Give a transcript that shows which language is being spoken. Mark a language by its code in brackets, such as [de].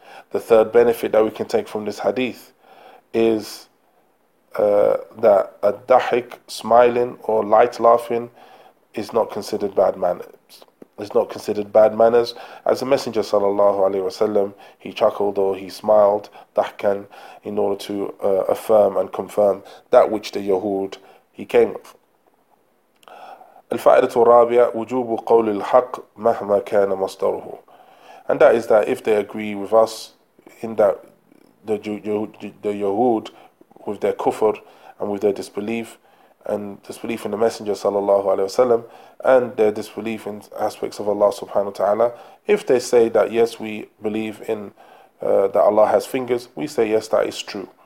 [en] The third benefit that we can take from this hadith is that a dahik, smiling or light laughing, is not considered bad manners. It's not considered bad manners. As the Messenger sallallahu alaihi wasallam, he chuckled or he smiled, dahkan, in order to affirm and confirm that which the Yahud he came with. [ar] الفائدة الرابعة وجوب قول الحق مهما كان مصدره. [en] And that is that if they agree with us, in that the Yahud with their kufr and with their disbelief and disbelief in the Messenger sallallahu alaihi wasallam and their disbelief in aspects of Allah subhanahu wa ta'ala, if they say that yes, we believe in that Allah has fingers, we say yes, that is true.